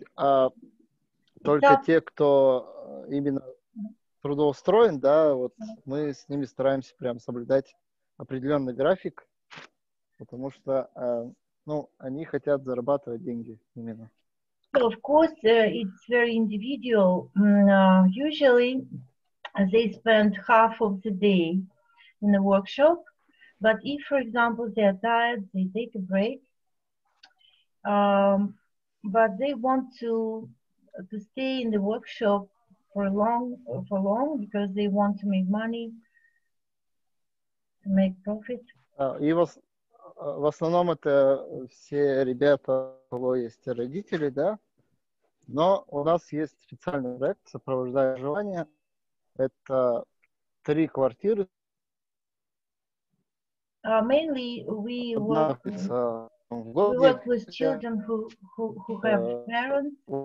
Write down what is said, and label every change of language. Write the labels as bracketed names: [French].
[Russian] то есть только те, кто именно трудоустроен, да, вот мы с ними стараемся прям соблюдать определенный график, потому что, ну, они хотят зарабатывать деньги именно. [English] So, of course, it's very individual. Usually they spend half of the day in the workshop, but if, for example, they are tired, they take a break, but they want to stay in the workshop for long, because they want to make money, to make profit. [Russian] И в основном это все ребята, у кого есть родители, да? Но у нас есть специальный проект «Сопровождая желание». Это 3 квартиры. [English] Mainly we work with, children who have parents.